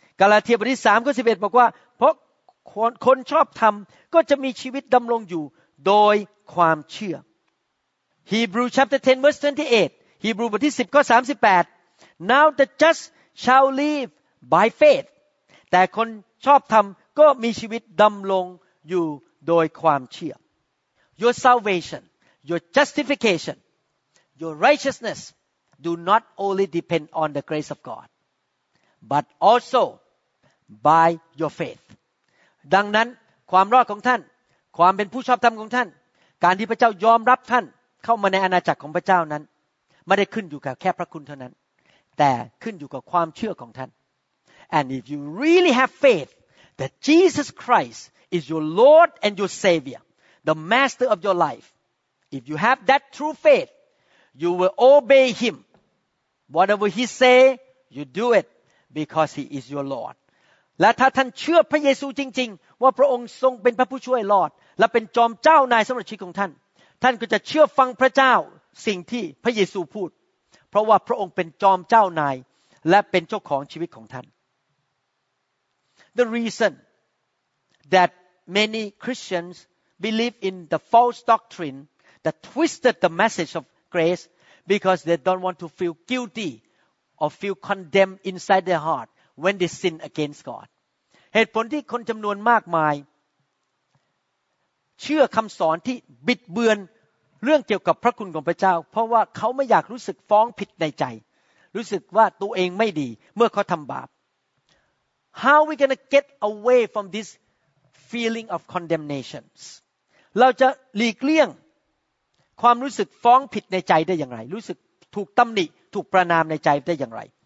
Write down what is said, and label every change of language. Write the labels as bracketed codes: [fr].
[th] กาลาเทียบทที่3ข้อ11บอกว่าเพราะคนชอบธรรมก็จะมีชีวิตดำรงอยู่โดยความเชื่อ [en] Hebrews chapter 10 verse 28. Hebrews [th] บทที่10ข้อ38. [en] Now the just shall live by faith. [th] แต่คนชอบธรรมก็มีชีวิตดำรงอยู่โดยความเชื่อ [en] Your salvation, your justification, your righteousnessDo not only depend on the grace of God, but also by your faith. [th] ดังนั้นความรอดของท่านความเป็นผู้ชอบธรรมของท่านการที่พระเจ้ายอมรับท่านเข้ามาในอาณาจักรของพระเจ้านั้นไม่ได้ขึ้นอยู่กับแค่พระคุณเท่านั้นแต่ขึ้นอยู่กับความเชื่อของท่าน [en] And if you really have faith that Jesus Christ is your Lord and your Savior, the Master of your life, if you have that true faith,You will obey him. Whatever he say, you do it because he is your Lord. [th] และถ้าท่านเชื่อพระเยซูจริงๆว่าพระองค์ทรงเป็นพระผู้ช่วยรอดและเป็นจอมเจ้านายสำหรับชีวิตของท่านท่านก็จะเชื่อฟังพระเจ้าสิ่งที่พระเยซูพูดเพราะว่าพระองค์เป็นจอมเจ้านายและเป็นเจ้าของชีวิตของท่าน [en] The reason that many Christians believe in the false doctrine that twisted the message ofGrace, because they don't want to feel guilty or feel condemned inside their heart when they sin against God. [th] เหตุผลที่คนจำนวนมากมาย เชื่อคำสอนที่บิดเบือนเรื่องเกี่ยวกับพระคุณของพระเจ้าเพราะว่าเขาไม่อยากรู้สึกฟ้องผิดในใจรู้สึกว่าตัวเองไม่ดีเมื่อเขาทำบาป [en] How we gonna get away from this feeling of condemnations [th] เราจะหลีกเลี่ยงความรู้สึกฟ้องผิดในใจได้อย่างไรรู้สึกถูกตำหนิถูกประณามในใจได้อย่างไร